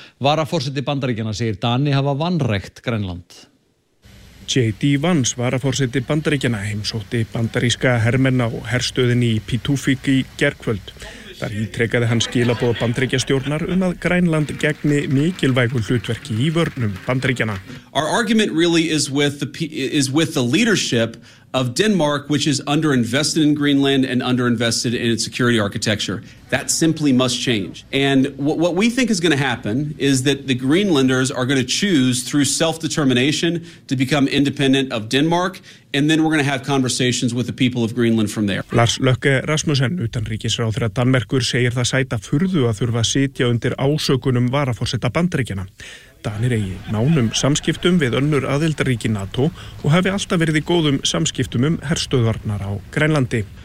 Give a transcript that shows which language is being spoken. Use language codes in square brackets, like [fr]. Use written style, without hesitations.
[is] Varaforseti Bandaríkjanna segir Dani hafa vanrækt Grænland. J.D. Vance, varaforseti Bandaríkjanna, heimsótti bandaríska hermenn á herstöðinni í Pitufik í gærkvöld. Þar ítrekaði hann skilaboð Bandaríkjastjórnar að Grænland gegni mikilvægu hlutverki í vörnum Bandaríkjanna. [en] Our argument really is with the leadership of Denmark, which is underinvested in Greenland and underinvested in its security architecture. That simply must change. And what we think is going to happen is that the Greenlanders are going to choose through self-determination to become independent of Denmark, and then we're going to have conversations with the people of Greenland from there. [is] Lars Løkke Rasmussen, utanríkisráðherra Danmerkur, segir það sæta furðu að þurfa að sitja undir ásökunum varaforseta Bandaríkjanna. Danir eigi nánum samskiptum við önnur aðildarríki NATO og hafi alltaf verið í góðum samskiptum herstöðvarnar á Grænlandi.